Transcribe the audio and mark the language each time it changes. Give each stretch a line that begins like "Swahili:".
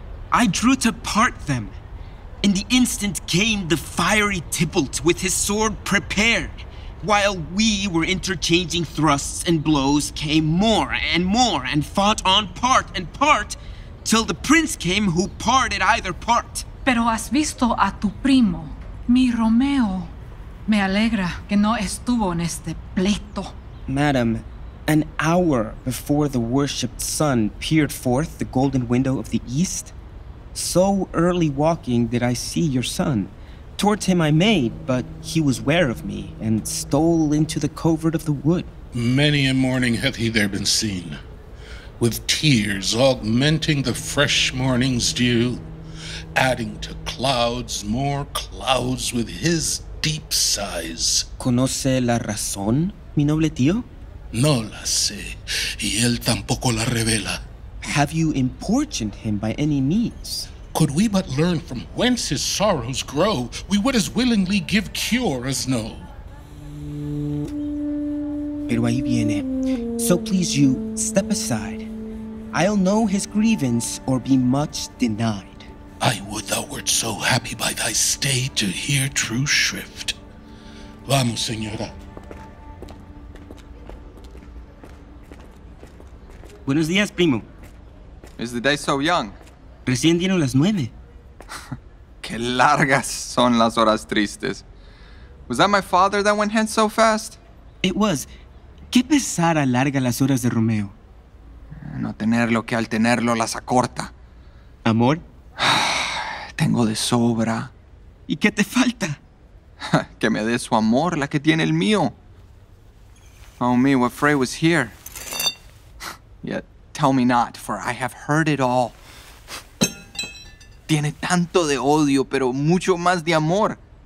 English: I drew to part them. In the instant came the fiery Tybalt with his sword prepared. While we were interchanging thrusts and blows, came more and more and fought on part and part, till the prince came who parted either part.
Spanish: Pero has visto a tu primo, mi Romeo. Me alegra que no estuvo en este pleito.
English: Madam, an hour before the worshipped sun peered forth the golden window of the east, so early walking did I see your son. Towards him I made, but he was ware of me, and stole into the covert of the wood. Many a morning hath he there been seen, with tears augmenting the fresh morning's dew, adding to clouds more clouds with his deep sighs.
Spanish: ¿Conoce la razón, mi noble tío? No la sé, y él tampoco la revela.
English: Have you importuned him by any means? Could we but learn from whence his sorrows grow, we would as willingly give cure as know.
Spanish: Pero ahí viene.
English: So please you, step aside. I'll know his grievance or be much denied. I would thou wert so happy by thy stay to hear true shrift.
Spanish: Vamos, señora. Buenos días, primo.
English: Is the day so young?
Spanish: Recién dieron las nueve. Qué largas son las horas tristes.
English: Was that my father that went hence so fast? It was.
Spanish: Qué pesar alarga las horas de Romeo. No tenerlo que al tenerlo las acorta. Amor? Tengo de sobra. ¿Y qué te falta? Que me dé su amor, la que tiene el mío.
English: Oh me, what fray was here? Yet, tell me not, for I have heard it all.
Spanish: Tiene tanto de odio, pero mucho más de amor.